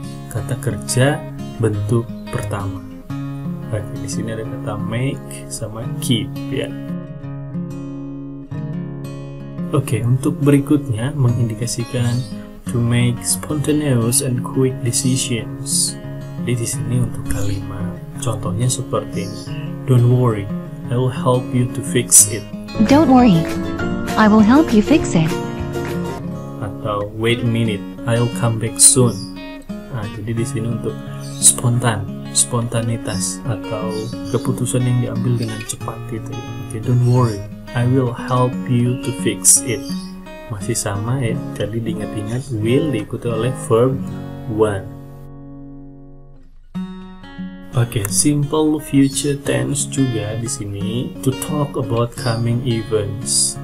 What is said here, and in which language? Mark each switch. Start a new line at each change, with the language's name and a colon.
Indonesian: Kata kerja bentuk pertama. Oke, di sini ada kata make sama keep ya. Oke, untuk berikutnya mengindikasikan
English: to make spontaneous and quick decisions.
Indonesian: Jadi di sini untuk kalimat contohnya seperti ini.
English: Don't worry, I will help you to fix it. Don't worry, I will help you fix it.
Indonesian: Atau
English: wait a minute, I'll come back soon.
Indonesian: Nah, jadi di sini untuk spontanitas atau keputusan yang diambil dengan cepat itu.
English: Okay, don't worry, I will help you to fix it.
Indonesian: Masih sama ya. Jadi diingat-ingat will diikuti oleh verb one.
English: Okay, simple future tense
Indonesian: juga di sini
English: to talk about coming events.